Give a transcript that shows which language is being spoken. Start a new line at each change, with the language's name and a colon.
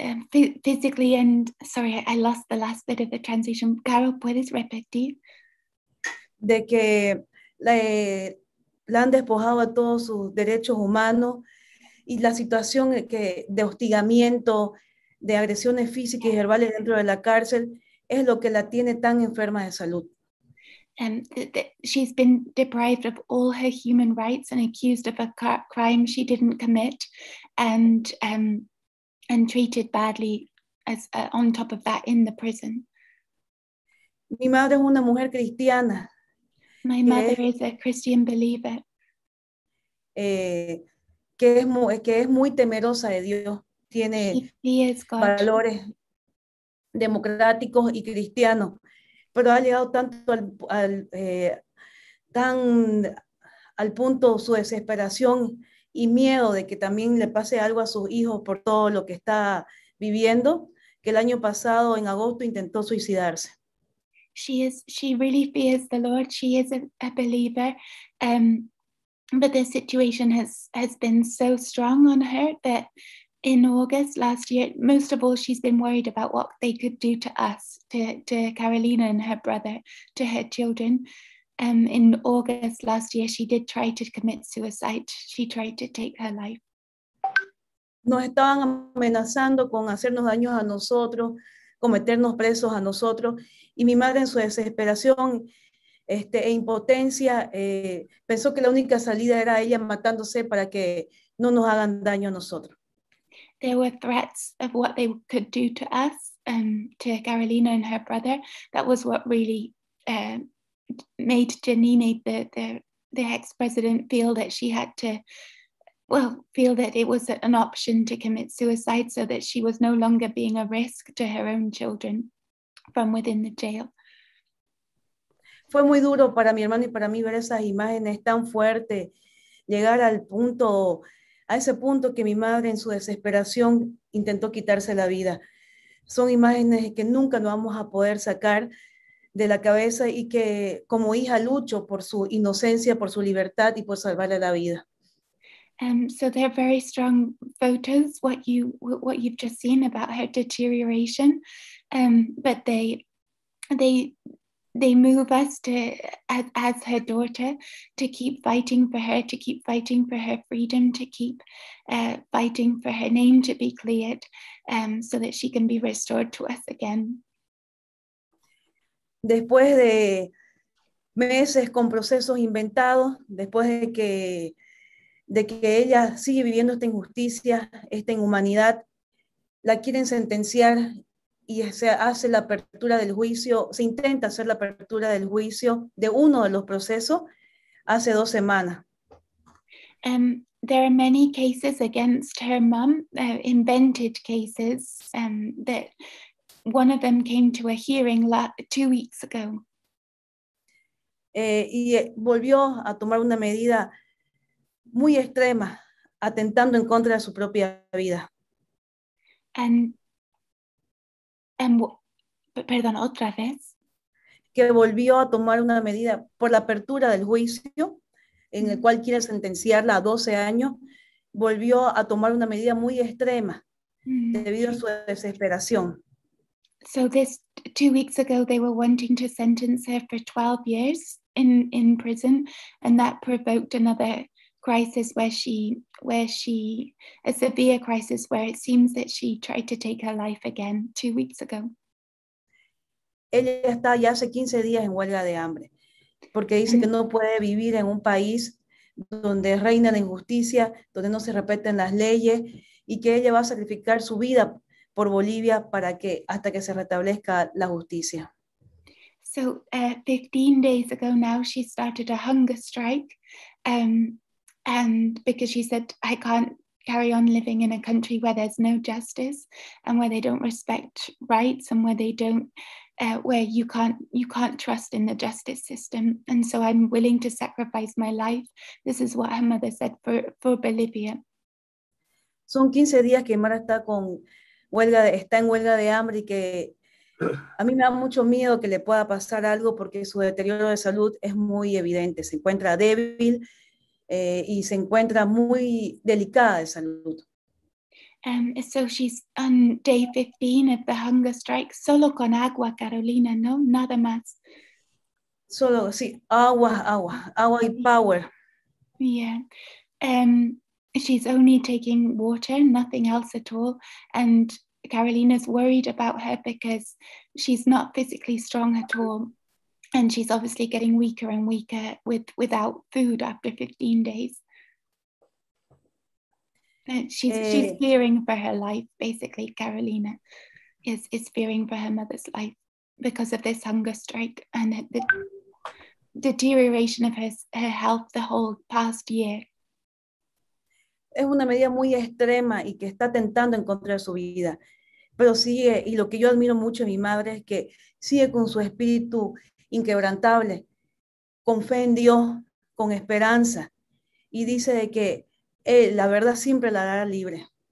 English: Physically and, sorry, I lost the last bit of the translation.
Spanish: Carol, ¿puedes repetir? De que la han despojado a todos sus derechos humanos, y la situación que de hostigamiento, de agresiones físicas y verbales dentro de la cárcel, es lo que la tiene tan enferma de salud.
English: She's been deprived of all her human rights and accused of a crime she didn't commit, and treated badly as on top of that in the prison.
Spanish: Mi madre es una mujer cristiana.
English: My mother is a Christian believer.
Spanish: Que es muy temerosa de Dios. Tiene valores democráticos y cristianos. Pero ha llegado tanto al punto su desesperación y miedo de que también le pase algo a sus hijos por todo lo que está viviendo, que el año pasado en agosto intentó suicidarse.
English: She really fears the Lord. She is a believer, but the situation has been so strong on her that in August last year, most of all, she's been worried about what they could do to us, to Carolina and her brother, to her children. In August last year, she did try to commit suicide. She tried to take her life.
Spanish: Nos estaban amenazando con hacernos daños a nosotros, con meternos presos a nosotros. Y mi madre, en su desesperación e impotencia, pensó que la única salida era ella matándose para que no nos hagan daño a nosotros.
English: there were threats of what they could do to us, to Carolina and her brother. That was what really made Janine, the ex-president, feel that she had to, well, feel that it was an option to commit suicide, so that she was no longer being a risk to her own children from within the jail.
Spanish: Fue muy duro para mi hermano y para mí ver esas imágenes tan fuertes, llegar al punto, a ese punto que mi madre en su desesperación intentó quitarse la vida. Son imágenes que nunca nos vamos a poder sacar de la cabeza y que como hija lucho por su inocencia, por su libertad y por salvarle la vida.
English: So they're very strong photos, what you've just seen about her deterioration, but they move us to, as her daughter, to keep fighting for her, to keep fighting for her freedom, to keep fighting for her name to be cleared, so that she can be restored to us again.
Spanish: Después de meses con procesos inventados, después de que ella sigue viviendo esta injusticia, esta inhumanidad, la quieren sentenciar y se hace la apertura del juicio, se intenta hacer la apertura del juicio de uno de los procesos hace 2 semanas.
English: There are many cases against her mom, invented cases, that one of them came to a hearing 2 weeks ago.
Spanish: Y volvió a tomar una medida muy extrema, atentando en contra de su propia vida. Perdón, otra vez. Que volvió a tomar una medida por la apertura del juicio, en el cual quiere sentenciarla a 12 años, volvió a tomar una medida muy extrema, debido a su desesperación.
English: So this, 2 weeks ago, they were wanting to sentence her for 12 years in prison, and that provoked another crisis where she a severe crisis where it seems that she tried to take her life again 2 weeks ago.
Spanish: Ella está ya hace 15 días en huelga de hambre porque dice que no puede vivir en un país donde reina la injusticia, donde no se respeten las leyes, y que ella va a sacrificar su vida por Bolivia para que hasta que se restablezca la justicia.
English: So 15 days ago now she started a hunger strike, and because she said, I can't carry on living in a country where there's no justice and where they don't respect rights and where they don't, where you can't trust in the justice system. And so I'm willing to sacrifice my life. This is what her mother said for Bolivia.
Spanish: Son 15 días que Mara está con huelga, está en huelga de hambre, y que a mí me da mucho miedo que le pueda pasar algo porque su deterioro de salud es muy evidente. Se encuentra débil. Y se encuentra muy delicada de salud.
English: So she's on day 15 of the hunger strike,
Spanish: solo con agua,
English: Carolina,
Spanish: no, nada más. Solo, sí, agua y power.
English: Yeah, she's only taking water, nothing else at all, and Carolina's worried about her because she's not physically strong at all. And she's obviously getting weaker and weaker without food after 15 days. And she's fearing for her life, basically. Carolina is fearing for her mother's life because of this hunger strike and the deterioration of her health the whole past year.
Spanish: Es una medida muy extrema y que está tentando en contra de su vida. Pero sigue, y lo que yo admiro mucho de mi madre es que sigue con su espíritu inquebrantable, con fe en Dios, con esperanza, y dice de que la verdad siempre la hará libre.